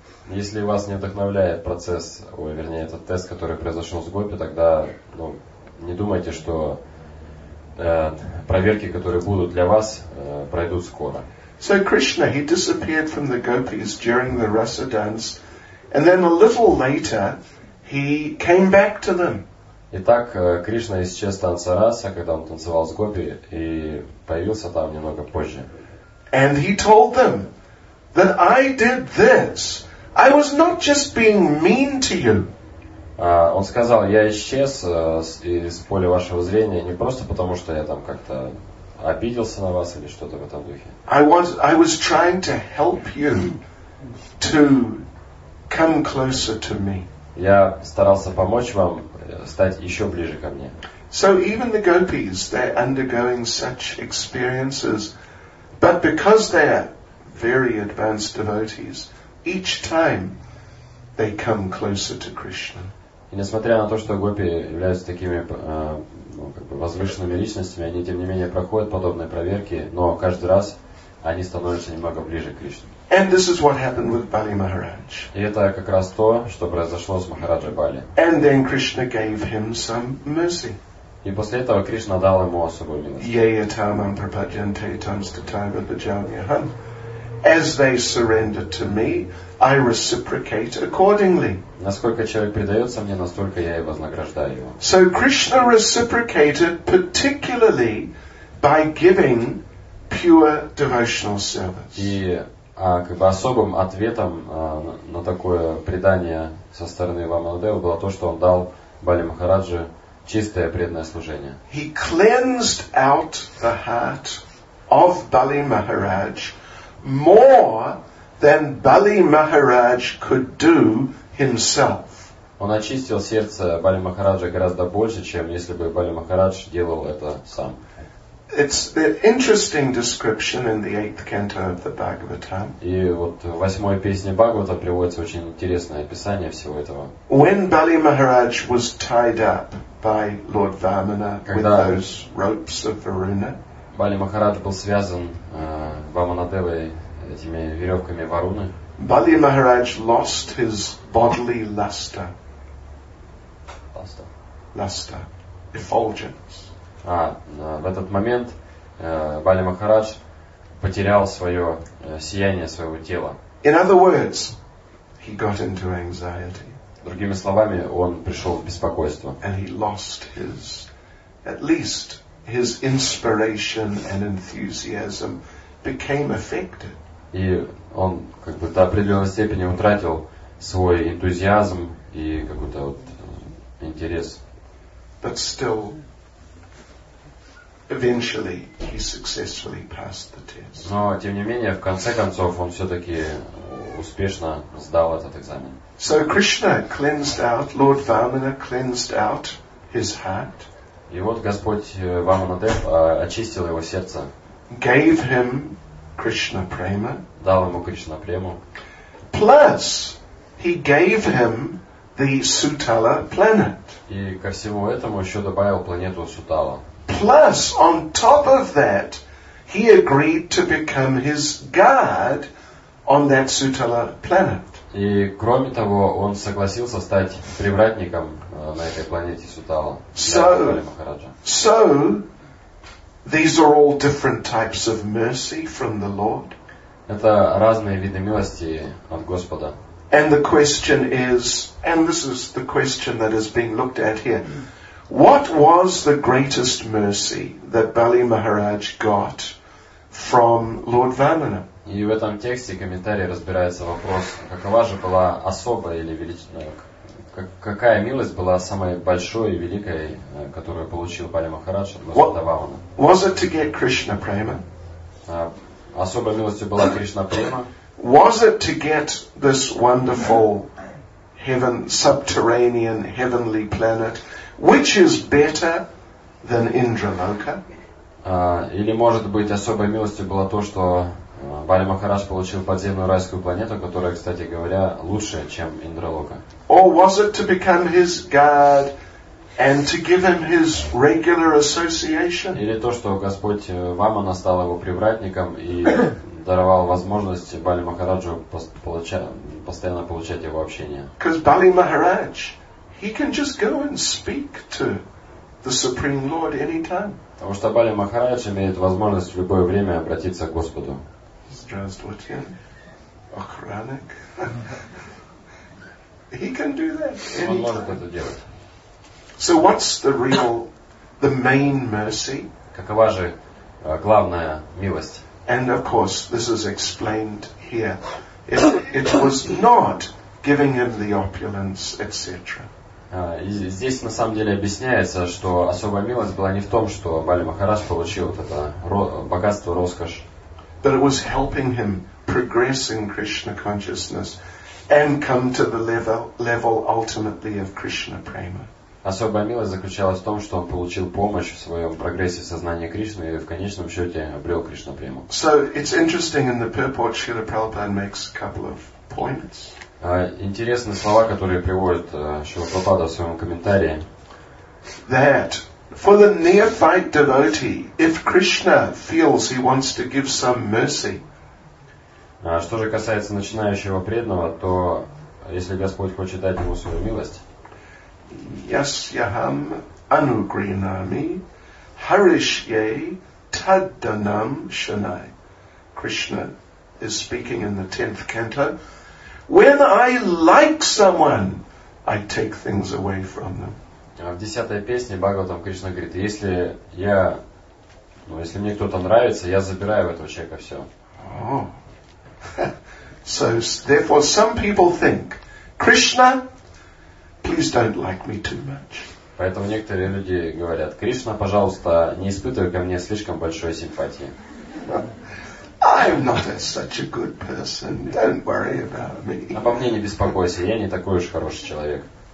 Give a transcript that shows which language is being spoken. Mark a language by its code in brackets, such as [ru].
[ru] Если вас не вдохновляет процесс, ой, вернее, этот тест, который произошел с гопи, тогда ну, не думайте, что проверки, которые будут для вас, пройдут скоро. [en] So Krishna, he disappeared from the gopis during the rasa dance, and then a little later he came back to them. [ru] Итак, Кришна исчез с танца раса, когда он танцевал с гопи, и появился там немного позже. [en] And he told them that I did this. I was not just being mean to you. [ru] Он сказал, я исчез из поля вашего зрения не просто потому, что я там как-то обиделся на вас или что-то в этом духе. [en] I was trying to help you to come closer to me. [ru] Я старался помочь вам стать еще ближе ко мне. [en] So even the gopis, they're undergoing such experiences, but because they're very advanced devotees, each time they come closer to Krishna. [ru] И несмотря на то, что гопи являются такими возвышенными личностями, они тем не менее проходят подобные проверки, но каждый раз они становятся немного ближе к Кришне. [en] And this is what happened with Bali Maharaj. [ru] И это как раз то, что произошло с Махараджей Бали. [en] And then Krishna gave him some mercy. [ru] И после этого Кришна дал ему особую милость. [sa] Yayatamam prapajante tamstatava bhajamyaham. [en] As they surrender to me, I reciprocate accordingly. [ru] Насколько человек предается мне, настолько я и вознаграждаю его. [en] So Krishna reciprocated particularly by giving pure devotional service. [ru] И как бы особым ответом на такое предание со стороны Вамадева было то, что он дал Бали Махараджи чистое преданное служение. [en] He cleansed out the heart of Bali Maharaj more than Bali Maharaj could do himself. [ru] Он очистил сердце Бали Махараджа гораздо больше, чем если бы Бали Махарадж делал это сам. [en] It's an interesting description in the 8th canto of the Bhagavatam. [ru] И вот в восьмой песне Бхагавата приводится очень интересное описание всего этого. [en] When Bali Maharaj was tied up by Lord Vamana with those ropes of Varuna. [ru] Бали Махарадж был связан Ваманадевой этими верёвками Варуны. [en] Bali Maharaj lost his bodily luster. Luster. Effulgence. [ru] А в этот момент Бали Махарадж потерял свое сияние своего тела. [en] In other words, he got into anxiety. [ru] Другими словами, он пришел в беспокойство. [en] And he lost his, at least, his inspiration and enthusiasm became affected. [ru] И он как бы до определенной степени утратил свой энтузиазм и какой-то вот интерес. [en] But still, eventually he successfully passed the test. [ru] Но тем не менее, в конце концов, он все-таки успешно сдал этот экзамен. [en] So Krishna cleansed out, Lord Vamana cleansed out his heart. [ru] И вот Господь Ваманадев очистил его сердце. [en] Gave him Krishna prema. [ru] Дал ему Кришна прему. [en] Plus he gave him the Sutala planet. [ru] И ко всему этому еще добавил планету Сутала. [en] Plus, on top of that, he agreed to become his guard on that Sutala planet. [ru] И кроме того, он согласился стать привратником на этой планете Сутала. [en] So, these are all different types of mercy from the Lord. [ru] Это разные виды милости от Господа. [en] And the question is, and this is the question that is being looked at here. What was the greatest mercy that Bali Maharaj got from Lord Vamana? [ru] И в этом тексте комментарий разбирается вопрос, какова же была особая или величная, какая милость была самой большой и великой, которую получил Бали Махарадж от Господа Вамана? [en] Was it to get Krishna prema? [ru] Особой милостью была Кришна према? [en] Was it to get this wonderful heaven, subterranean heavenly planet? Which is better than Indraloka? [ru] Или может быть особой милостью было то, что Бали Махарадж получил подземную райскую планету, которая, кстати говоря, лучше, чем Индралока? [en] Or was it to become his guard and to give him his regular association? [ru] Или то, что Господь Вамана стал его привратником и даровал возможность Бали Махараджу постоянно получать его общение? [en] Because Bali Maharaj, he can just go and speak to the Supreme Lord anytime. [ru] Потому что Бали Махарадж имеет возможность в любое время обратиться к Господу. Здравствуйте, охранник. [en] He can do that anytime. [ru] Он может это делать. [en] So what's the real, the main mercy? [ru] Какова же главная милость? [en] And of course, this is explained here. It was not giving him the opulence, etc. [ru] Здесь на самом деле объясняется, что особая милость была не в том, что Бали Махарадж получил вот это богатство, роскошь. Особая милость заключалась в том, что он получил помощь в своем прогрессе сознания Кришны и в конечном счете обрел Кришна прему. [en] So it's interesting in the purport Srila Prabhupada makes a couple of points. [ru] Интересные слова, которые приводит Шрила Прабхупада в своем комментарии. [en] That for the neophyte devotee, if Krishna feels he wants to give some mercy. [ru] Что же касается начинающего преданного, то если Господь хочет дать ему свою милость. [sa] Yasyaham anugrinami harishye taddanam shanai. [en] Krishna is speaking in the 10th canto. When I like someone, I take things away from them. [ru] В десятой песне Бхагаватам Кришна говорит, если я, ну, если мне кто-то нравится, я забираю у этого человека все. [en] So therefore some people think, Krishna, please don't like me too much. [ru] Поэтому некоторые люди говорят, Кришна, пожалуйста, не испытывай ко мне слишком большой симпатии. [en] I'm not a, such a good person. Don't worry about me. [ru] Обо мне не беспокойся, я не такой уж хороший человек.